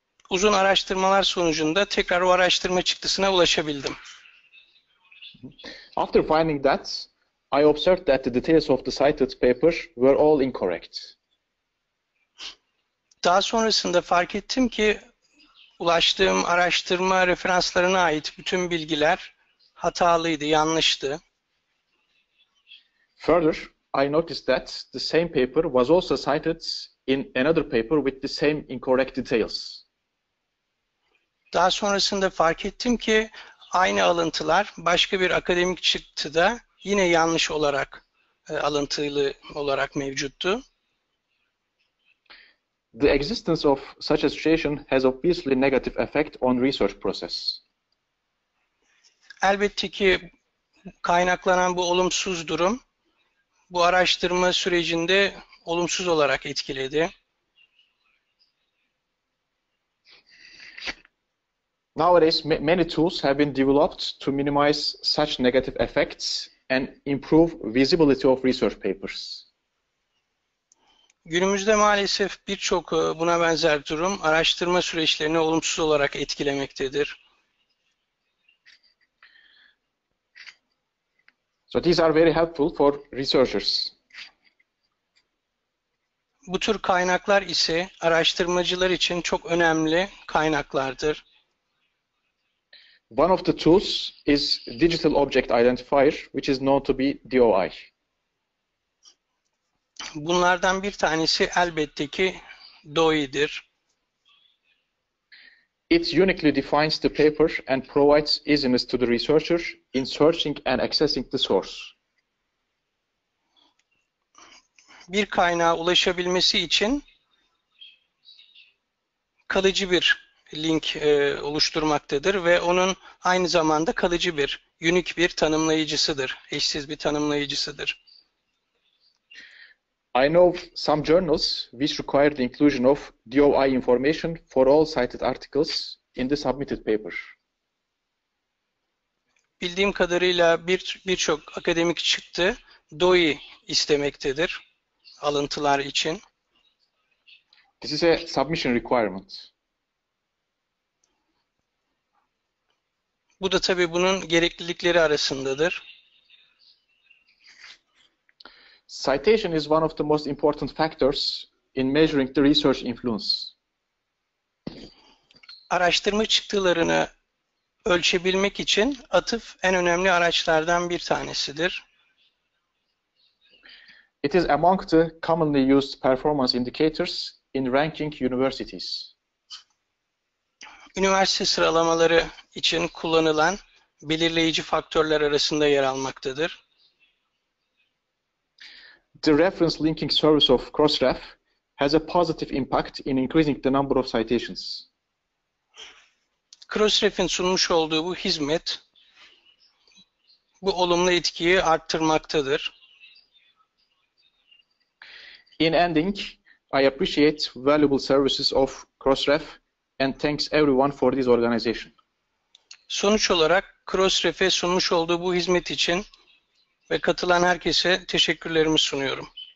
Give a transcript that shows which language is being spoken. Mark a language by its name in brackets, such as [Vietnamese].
[Turkish] Uzun araştırmalar sonucunda tekrar o araştırma çıktısına ulaşabildim. [English] After finding that, I observed that the details of the cited paper were all incorrect. [Turkish] Daha sonrasında fark ettim ki ulaştığım araştırma referanslarına ait bütün bilgiler hatalıydı, yanlıştı. [English] Further, I noticed that the same paper was also cited in another paper with the same incorrect details. [Turkish] Daha sonrasında fark ettim ki aynı alıntılar başka bir akademik çıktıda yine yanlış olarak alıntılı olarak mevcuttu. [English] The existence of such a situation has obviously negative effect on research process. [Turkish] Elbette ki kaynaklanan bu olumsuz durum bu araştırma sürecinde olumsuz olarak etkiledi. [English] Nowadays, many tools have been developed to minimize such negative effects and improve visibility of research papers. [Turkish] Günümüzde maalesef birçok buna benzer durum araştırma süreçlerini olumsuz olarak etkilemektedir. [English] So these are very helpful for researchers. [Turkish] Bu tür kaynaklar ise araştırmacılar için çok önemli kaynaklardır. [English] One of the tools is digital object identifier, which is known to be DOI. [Turkish] Bunlardan bir tanesi elbette ki DOI'dir. [English] It uniquely defines the paper and provides easiness to the researcher in searching and accessing the source. [Turkish] Bir kaynağa ulaşabilmesi için kalıcı bir link oluşturmaktadır ve onun aynı zamanda kalıcı bir, unique bir tanımlayıcısıdır, eşsiz bir tanımlayıcısıdır. [English] I know some journals which require the inclusion of DOI information for all cited articles in the submitted paper. [Turkish] Bildiğim kadarıyla birçok akademik çıktı DOI istemektedir alıntılar için. [English] This is a submission requirement. [Turkish] Bu da tabii bunun gereklilikleri arasındadır. [English] Citation is one of the most important factors in measuring the research influence. [Turkish] Araştırma çıktılarını ölçebilmek için atıf en önemli araçlardan bir tanesidir. [English] It is among the commonly used performance indicators in ranking universities. [Turkish] üniversite sıralamaları için kullanılan belirleyici faktörler arasında yer almaktadır. [English] The reference linking service of Crossref has a positive impact in increasing the number of citations. [Turkish] Crossref'in sunmuş olduğu bu hizmet bu olumlu etkiyi arttırmaktadır. [English] In ending, I appreciate valuable services of Crossref and thanks everyone for this organization. [Turkish] Sonuç olarak Crossref'e sunmuş olduğu bu hizmet için ve katılan herkese teşekkürlerimi sunuyorum.